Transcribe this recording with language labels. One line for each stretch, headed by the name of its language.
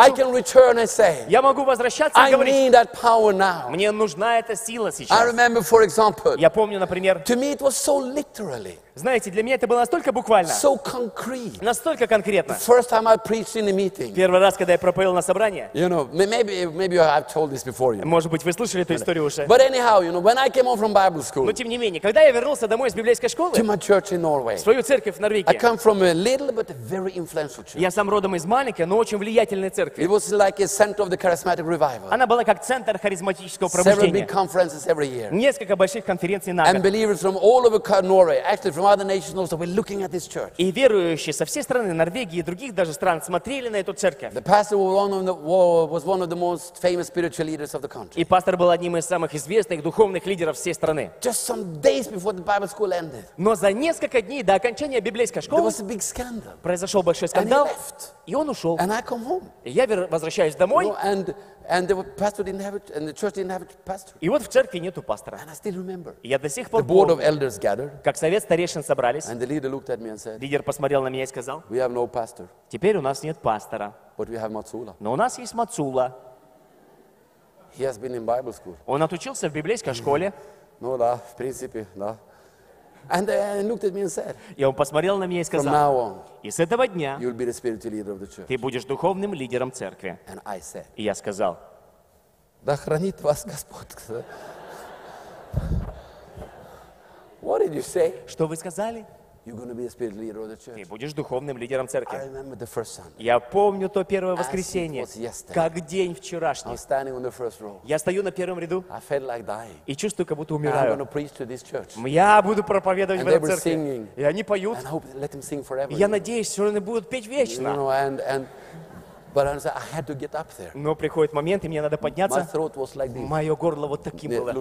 English: I can return and say,
Russian: я могу возвращаться и говорить,
English: I need that power now.
Russian: Мне нужна эта сила сейчас.
English: I remember, for example,
Russian: я помню, например,
English: to me it was so literally.
Russian: Знаете, для меня это было настолько буквально,
English: so concrete.
Russian: Настолько конкретно.
English: First time I preached in a meeting.
Russian: Первый раз, когда я проповедовал на собрании.
English: You know, maybe I've told this before, you know.
Russian: Может быть, вы слышали эту историю уже.
English: But anyhow, you know, when I came home from Bible school,
Russian: но тем не менее, когда я вернулся домой из библейской школы,
English: to my church in Norway,
Russian: в свою церковь в Норвегии,
English: I come from a little but very influential church.
Russian: Я сам родом из маленькой, но очень влиятельной церкви.
English: It was like a center of the charismatic revival.
Russian: Она была как центр харизматического пробуждения.
English: Several big conferences every year.
Russian: Несколько больших конференций на год.
English: And believers from all over Norway, actually from other nations also, were looking at this church.
Russian: И верующие со всей страны, Норвегии и других даже стран, смотрели на эту церковь.
English: The pastor was one of the most famous spiritual leaders of the country.
Russian: И пастор был одним из самых известных духовных лидеров всей страны.
English: Just some days before the Bible school ended.
Russian: Но за несколько дней до окончания библейской школы
English: there was a big scandal.
Russian: Произошел большой скандал.
English: And he left.
Russian: И он ушел.
English: And I come home.
Russian: И я возвращаюсь домой.
English: You know, and the pastor didn't have it, and the church didn't have a pastor.
Russian: И вот в церкви нету пастора.
English: And I still remember.
Russian: Я до сих пор
English: the board of elders gathered.
Russian: Как совет старейшин собрались.
English: And the leader looked at me and said.
Russian: Лидер посмотрел на меня и сказал.
English: We have no pastor.
Russian: Теперь у нас нет пастора.
English: But we have Matsula.
Russian: Но у нас есть Мацула.
English: He has been in Bible school.
Russian: Он отучился в библейской школе. Ну да, в принципе, да.
English: And he looked at me and said.
Russian: И он посмотрел на меня и сказал.
English: From now on.
Russian: И с этого дня
English: you'll be the spiritual leader of the church.
Russian: Ты будешь духовным лидером церкви.
English: And I said.
Russian: И я сказал. Да хранит вас Господь.
English: What did you say?
Russian: Что вы сказали?
English: You're going to be the spiritual leader of the church.
Russian: Ты будешь духовным лидером церкви.
English: I remember the first Sunday.
Russian: Я помню то первое воскресенье.
English: As it was yesterday.
Russian: Как день вчерашний.
English: I'm standing on the first row.
Russian: Я стою на первом ряду.
English: I felt like dying.
Russian: И чувствую, как будто умираю.
English: I'm going to preach to this church.
Russian: Я буду проповедовать
English: and
Russian: в этой
English: they were
Russian: церкви.
English: Singing.
Russian: И они поют.
English: And I hope let them sing forever.
Russian: Я надеюсь, что они будут петь вечно.
English: You know, and but I had to get up there.
Russian: Но приходит момент, и мне надо подняться.
English: My throat was like this.
Russian: Мое горло вот таким было.